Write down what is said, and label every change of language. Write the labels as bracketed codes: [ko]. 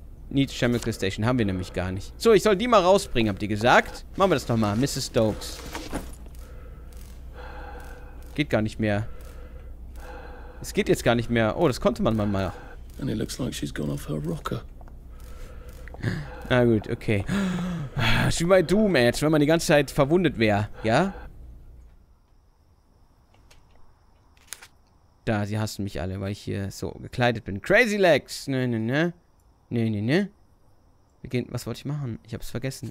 [de] Need Chemical Station haben wir nämlich gar nicht. So, ich soll die mal rausbringen, habt ihr gesagt? Machen wir das doch mal. Mrs. Stokes. Geht gar nicht mehr. Es geht jetzt gar nicht mehr. Oh, das konnte man mal. [en] And it looks like she's gone off her rocker. [de] Na gut, okay. Das ist wie bei Doom, jetzt, wenn man die ganze Zeit verwundet wäre, ja? Da, sie hassen mich alle, weil ich hier so gekleidet bin. Crazy Legs! Ne. Wir gehen. Was wollte ich machen? Ich hab's vergessen.